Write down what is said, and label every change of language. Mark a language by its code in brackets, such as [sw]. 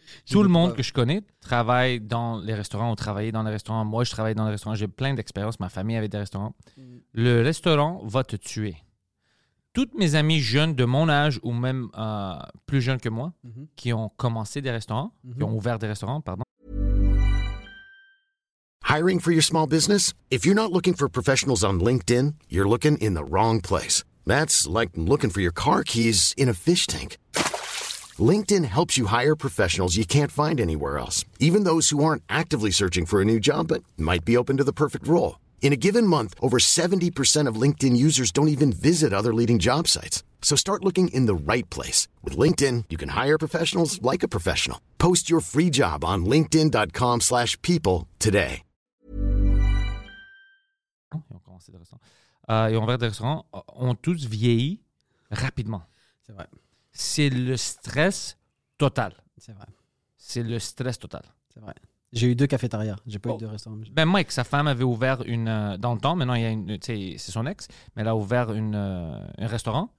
[fr] Tout le monde que je connais travaille dans les restaurants ou travaillait dans les restaurants. Moi, je travaille dans les restaurants. J'ai plein d'expériences. Ma famille avait des restaurants. Le restaurant va te tuer. Toutes mes amies jeunes de mon âge ou même plus jeunes que moi qui ont commencé des restaurants, qui ont ouvert des restaurants, pardon. [en] Hiring for your small business? If you're not looking for professionals on LinkedIn, you're looking in the wrong place. That's like looking for your car keys in a fish tank. LinkedIn helps you hire professionals you can't find anywhere else, even those who aren't actively searching for a new job but might be open to the perfect role. In a given month, over 70% of LinkedIn users don't even visit other leading job sites. So start looking in the right place. With LinkedIn, you can hire professionals like a professional. Post your free job on linkedin.com/people today. [fr] Et on va des restaurants, ont tous vieilli rapidement. C'est vrai. C'est le stress total. C'est vrai. C'est le stress total. C'est vrai. J'ai eu deux cafétérias. J'ai pas eu deux restaurants. Mais ben Mike, sa femme avait ouvert une dans le temps. Maintenant, il y a une, tu sais, c'est son ex, mais elle a ouvert un restaurant.